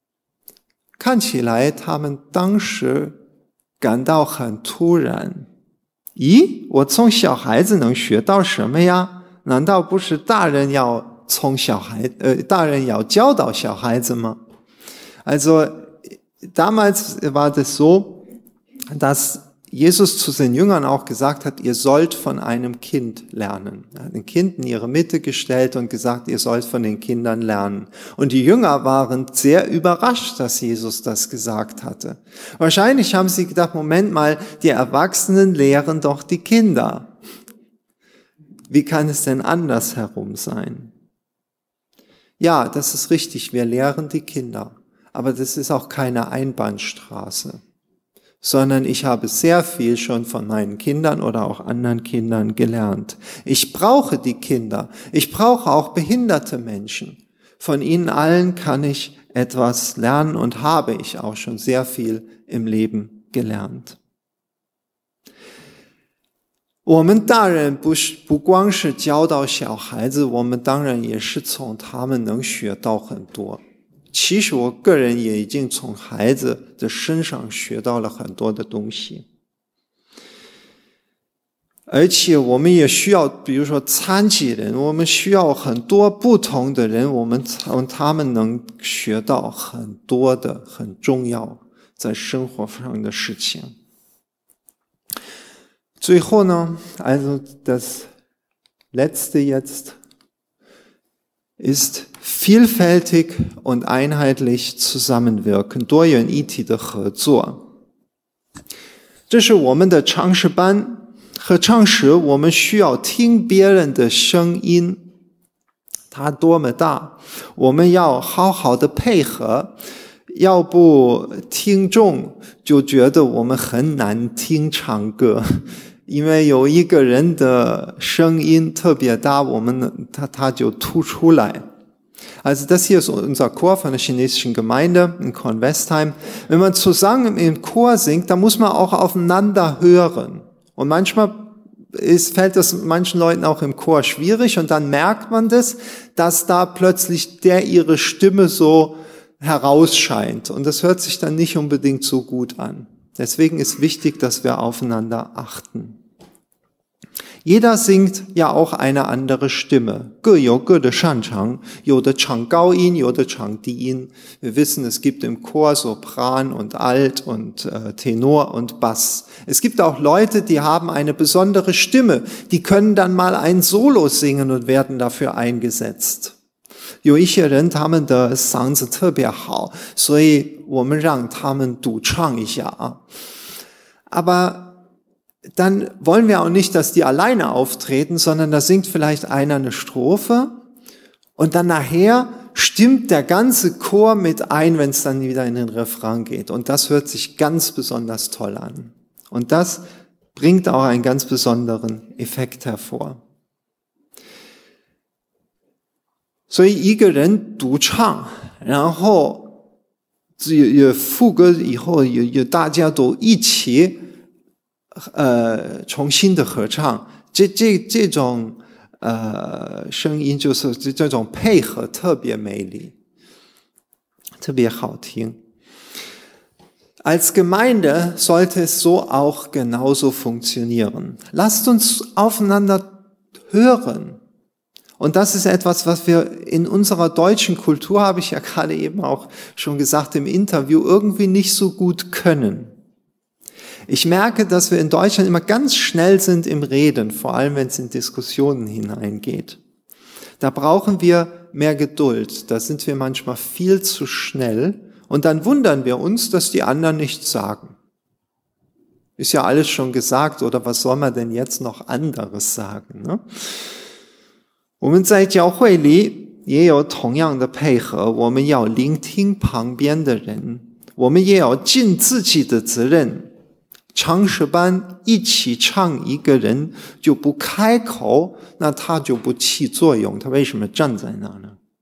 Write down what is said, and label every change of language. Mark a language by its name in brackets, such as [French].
[Chinese] 耶稣对门徒说，你们要从小孩子学习。看起来他们当时 感到很突然，咦，我从小孩子能学到什么呀？难道不是大人要教导小孩子吗？ [German] Also damals war das so, dass Jesus zu den Jüngern auch gesagt hat, ihr sollt von einem Kind lernen. Er hat ein Kind in ihre Mitte gestellt und gesagt, ihr sollt von den Kindern lernen. Und die Jünger waren sehr überrascht, dass Jesus das gesagt hatte. Wahrscheinlich haben sie gedacht, Moment mal, die Erwachsenen lehren doch die Kinder. Wie kann es denn andersherum sein? Ja, das ist richtig, wir lehren die Kinder. Aber das ist auch keine Einbahnstraße. Sondern ich habe sehr viel schon von meinen Kindern oder auch anderen Kindern gelernt. Ich brauche die Kinder. Ich brauche auch behinderte Menschen. Von ihnen allen kann ich etwas lernen und habe ich auch schon sehr viel im Leben gelernt. [Chinese] 我们大人不光是教导小孩子，我们当然也是从他们能学到很多。其实我个人也已经从孩子的身上学到了很多的东西。而且我们也需要，比如说残疾人，我们需要很多不同的人，我们从他们能学到很多的很重要在生活上的事情。最后呢， [German] also das letzte jetzt ist vielfältig und einheitlich zusammenwirken， [Chinese] 多元一体的合作。这是我们的唱诗班和唱诗，我们需要听别人的声音，它多么大，我们要好好的配合，要不听众就觉得我们很难听唱歌，因为有一个人的声音特别大，我们他就突出来。 [German] Also das hier ist unser Chor von der chinesischen Gemeinde in Kornwestheim. Wenn man zusammen im Chor singt, dann muss man auch aufeinander hören. Und manchmal fällt das manchen Leuten auch im Chor schwierig und dann merkt man das, dass da plötzlich der ihre Stimme so herausscheint. Und das hört sich dann nicht unbedingt so gut an. Deswegen ist wichtig, dass wir aufeinander achten. Jeder singt ja auch eine andere Stimme. [Chinese] 各有各的擅长，有的唱高音，有的唱低音。 [German] Wir wissen, es gibt im Chor Sopran und Alt und Tenor und Bass. Es gibt auch Leute, die haben eine besondere Stimme. Die können dann mal ein Solo singen und werden dafür eingesetzt. [Chinese] 有一些人他们的嗓子特别好，所以我们让他们独唱一下啊。 [German] Aber dann wollen wir auch nicht, dass die alleine auftreten, sondern da singt vielleicht einer eine Strophe und dann nachher stimmt der ganze Chor mit ein, wenn es dann wieder in den Refrain geht. Und das hört sich ganz besonders toll an. Und das bringt auch einen ganz besonderen Effekt hervor. [Chinese] 所以一个人独唱，然后也副歌以后也大家都一起重新的合唱，这种声音就是这种配合特别美丽，特别好听。 [German] Als Gemeinde sollte es so auch genauso funktionieren. Lasst uns aufeinander hören. Und das ist etwas, was wir in unserer deutschen Kultur, habe ich ja gerade eben auch schon gesagt im Interview, irgendwie nicht so gut können. Ich merke, dass wir in Deutschland immer ganz schnell sind im Reden, vor allem wenn es in Diskussionen hineingeht. Da brauchen wir mehr Geduld, da sind wir manchmal viel zu schnell und dann wundern wir uns, dass die anderen nichts sagen. Ist ja alles schon gesagt, oder was soll man denn jetzt noch anderes sagen? Ne? [Chinese] 我们在教会里也有同样的配合，我们要聆听旁边的人，我们也要尽自己的责任。唱诗班一起唱，一个人就不开口，那他就不起作用，他为什么站在那呢？